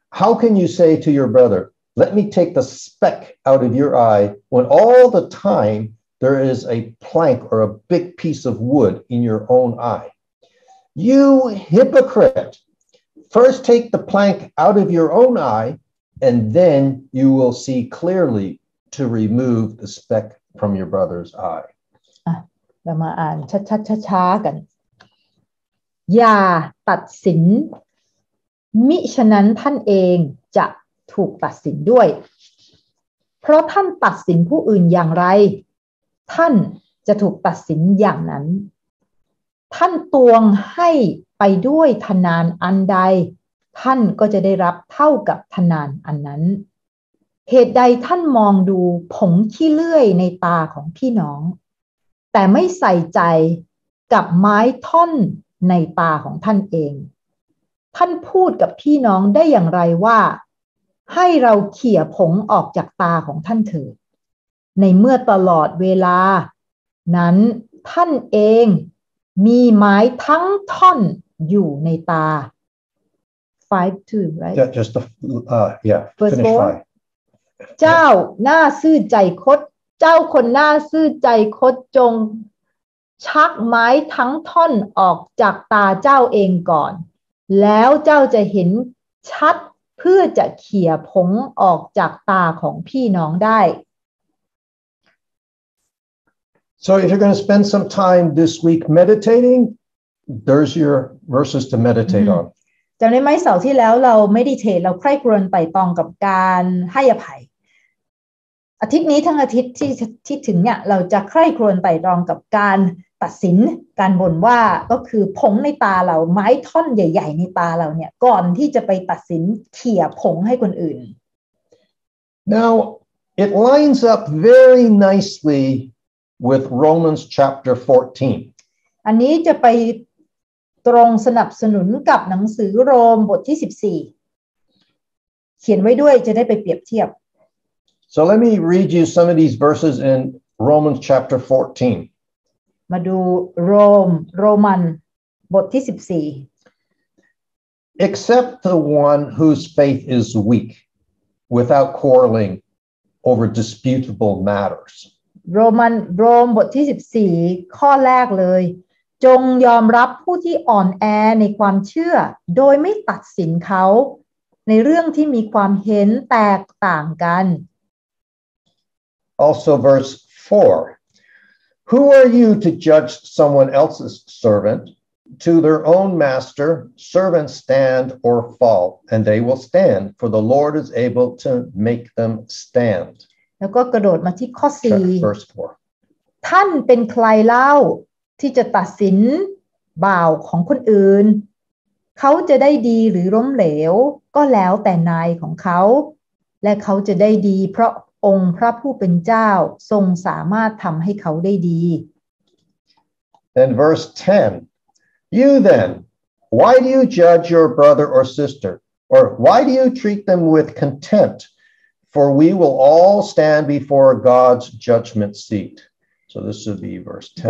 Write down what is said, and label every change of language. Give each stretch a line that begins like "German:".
English: How can you say to your brother, let me take the speck out of your eye, when all the time there is a plank or a big piece of wood in your own eye? You hypocrite, first take the plank out of your own eye, and then you will see clearly to remove the speck from your brother's eye.
Thai: เรามาอ่านช้าๆๆกันอย่าตัดสินมิฉะนั้นท่านเองจะถูกตัดสินด้วยเพราะท่านตัดสินผู้อื่นอย่างไรท่านจะถูกตัดสินอย่างนั้น ท่านตวงให้ไปด้วยทนานอันใดท่านก็จะได้รับเท่ากับทนานอันนั้นเหตุใดท่านมองดูผงขี้เลื่อยในตาของพี่น้องแต่ไม่ใส่ใจกับไม้ท่อนในตาของท่านเอง ท่านพูดกับพี่น้องได้อย่างไรว่าให้เราเขี่ยผงออกจากตาของท่านเถิดในเมื่อตลอดเวลานั้นท่านเองมีไม้ทั้งท่อนอยู่ในตา
English: 5-2 right yeah, just the, yeah first finish 5 เจ้า yeah.
Thai: หน้าซื่อใจคดเจ้าคนหน้าซื่อใจคดจงชักไม้ทั้งท่อนออกจากตาเจ้าเองก่อนแล้วเจ้าจะเห็นชัดเพื่อจะเขี่ยผงออกจากตาของพี่น้องได้
English: So if you're going to spend some time this week meditating, there's your verses to meditate on.
Thai: จำได้ไหมเสาร์ที่แล้วเรา meditate เราใคร่ครวญไต่ตองกับการให้อภัยอาทิตย์นี้ทั้งอาทิตย์ที่ถึงเนี่ยเราจะใคร่ครวญไต่ตรองกับการตัดสินการบ่นว่าก็คือผงในตาเราไม้ท่อนใหญ่ๆในตาเราเนี่ยก่อนที่จะไปตัดสินเขี่ยผงให้คนอื่น
English: Now it lines up very nicely with Romans chapter 14
Thai: อันนี้จะไปตรงสนับสนุนกับหนังสือโรมบทที่14เขียนไว้ด้วยจะได้ไปเปรียบเทียบ
English: So let me read you some of these verses in Romans chapter 14.
Thai: มาดูโรมันบทที่14.
English: Except the one whose faith is weak, without quarreling over disputable matters.
Thai: โรมบทที่14ข้อแรกเลยจงยอมรับผู้ที่อ่อนแอในความเชื่อโดยไม่ตัดสินเขาในเรื่องที่มีความเห็นแตกต่างกัน
English: Also verse 4. Who are you to judge someone else's servant? To their own master, servants stand or fall, and they will stand, for the Lord is able to make them stand.
Thai: แล้วก็กระโดดมาที่ข้อ 4.
English: Check verse 4.
Thai: ท่านเป็นใครเล่าที่จะตัดสินบ่าวของคนอื่นเขาจะได้ดีหรือล้มเหลวก็แล้วแต่นายของเขาและเขาจะได้ดีเพราะองค์พระผู้เป็นเจ้าทรงสามารถทำให้เขาได้ดี
English: And verse 10 You then why do you judge your brother or sister or why do you treat them with contempt for we will all stand before God's judgment seat So this would be verse 10